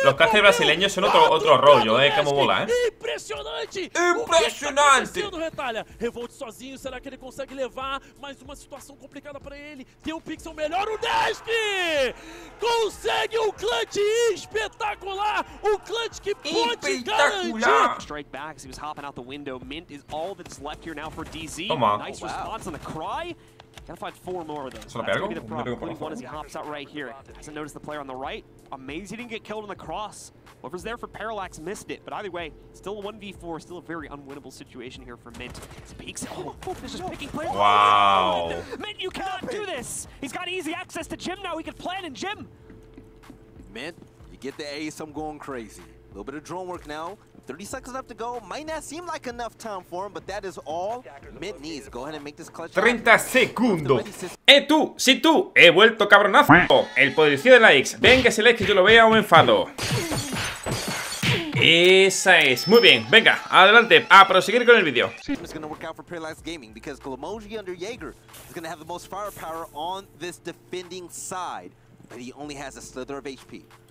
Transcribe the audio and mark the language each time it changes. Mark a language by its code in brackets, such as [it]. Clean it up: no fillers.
[es] Los castes brasileños son otro rollo, como bola, Impresionante. Impresionante. [pt] Sendo retalha. Revolt sozinho, será que ele consegue levar mais uma situação complicada para ele? Tem um pixel melhor o Nesk. Consegue um clutch espetacular, um clutch que pode garantir. [en] Strike back. He was hopping out the window. Mint is all that's left here now for DZ. [es] Toma. [en] Nice response on the cry. Gotta find four more of those. [es] Solo pego. [en] Only one as he hops out right here. Hasn't noticed the player on the right. Amazing, he didn't get killed on the cross. Whoever's there for Parallax missed it. But either way, still a 1v4, still a very unwinnable situation here for Mint. Speaks. Oh, this is picking players. Wow. Mint, you cannot do this. He's got easy access to gym now. He can plan in gym. Mint, you get the ace, I'm going crazy. A little bit of drone work now. 30 seconds left to go. Might not seem like enough time for him, but that is all Mint needs. Go ahead and make this clutch. [es] 30 segundos. Tú, sí tú, he vuelto cabronazo. El poderío de likes. Venga, si likes que yo lo vea o me enfado. Esa es. Muy bien, venga, adelante, a proseguir con el vídeo. [en] It's gonna work out for Parallax Gaming because Glamoji under Jaeger is gonna have the most firepower on this defending side, but he only has a slither of HP.